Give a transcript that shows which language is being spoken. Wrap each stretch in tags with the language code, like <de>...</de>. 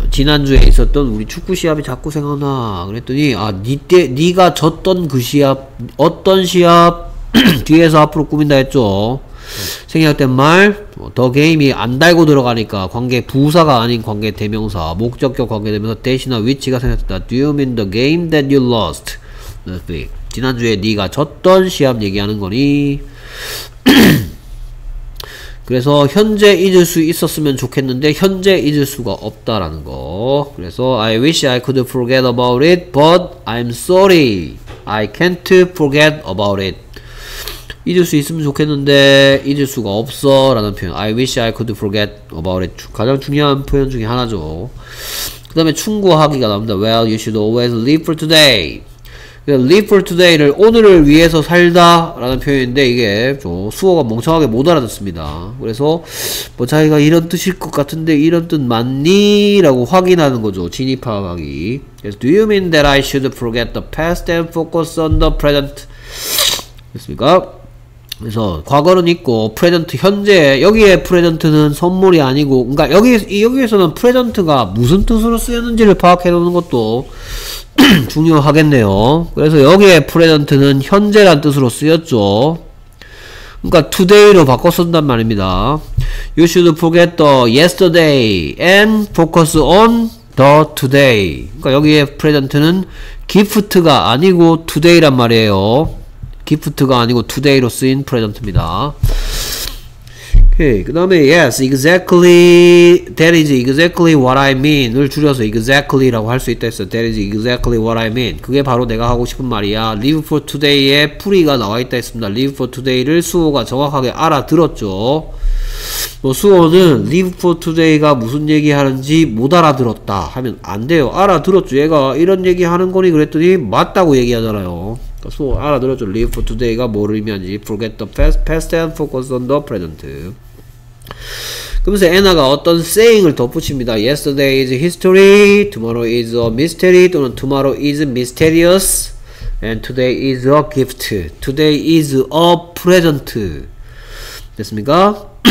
<ko>지난주에 있었던 우리 축구 시합이 자꾸 생각나. 그랬더니 아 네가 졌던 그 시합 어떤 시합 뒤에서 앞으로 꾸민다 했죠. 생략된 말 더 게임이 안 달고 들어가니까 관계 부사가 아닌 관계 대명사 목적격 관계 대명사 대신어 위치가 생겼다.</ko> <en>Do you mean the game that you lost?</en> <ko>지난주에 네가 졌던 시합 얘기하는 거니. 그래서 현재 잊을 수 있었으면 좋겠는데 현재 잊을 수가 없다라는 거. 그래서</ko> <en>I wish I could forget about it but I'm sorry I can't forget about it.</en> <ko>잊을 수 있으면 좋겠는데 잊을 수가 없어 라는 표현</ko> <en>I wish I could forget about it.</en> <ko>가장 중요한 표현 중에 하나죠. 그 다음에 충고하기가 나옵니다.</ko> <en>Well, you should always live for today.</en> <ko>Live for today를 오늘을 위해서 살다 라는 표현인데 이게 좀 수어가 멍청하게 못 알아듣습니다. 그래서 뭐 자기가 이런 뜻일 것 같은데 이런 뜻 맞니? 라고 확인하는 거죠. 진입하기.</ko> <en>Do you mean that I should forget the past and focus on the present?</en> <ko>됐습니까? 그래서 과거는 있고 프레젠트 현재 여기에 프레젠트는 선물이 아니고 그러니까 여기에서는 프레젠트가 무슨 뜻으로 쓰였는지를 파악해 놓는 것도 중요하겠네요. 그래서 여기에 프레젠트는 현재란 뜻으로 쓰였죠. 그러니까 투데이로 바꿔 쓴단 말입니다.</ko> <en>You should forget the yesterday and focus on the today.</en> <ko>그러니까 여기에 프레젠트는 기프트가 아니고 투데이란 말이에요. 기프트가 아니고 투데이로 쓰인 프레젠트입니다. 오케이. 그 다음에</ko> <en>yes, exactly, that is exactly what I mean</en> <ko>을 줄여서 exactly라고 할 수 있다 했어.</ko> <en>That is exactly what I mean.</en> <ko>그게 바로 내가 하고 싶은 말이야. live for today에 풀이가 나와있다 했습니다. live for today를 수호가 정확하게 알아들었죠. 뭐 수호는 live for today가 무슨 얘기하는지 못 알아들었다 하면 안 돼요. 알아들었죠. 얘가 이런 얘기하는 거니 그랬더니 맞다고 얘기하잖아요. 수호 알아들었죠. live for today가 뭘 의미하는지.</ko> <en>forget the past, past and focus on the present.</en> <ko>그러면서 애나가 어떤 saying을 덧붙입니다.</ko> <en>yesterday is history, tomorrow is a mystery,</en> <ko>또는</ko> <en>tomorrow is mysterious, and today is a gift. today is a present.</en> <ko>됐습니까?</ko>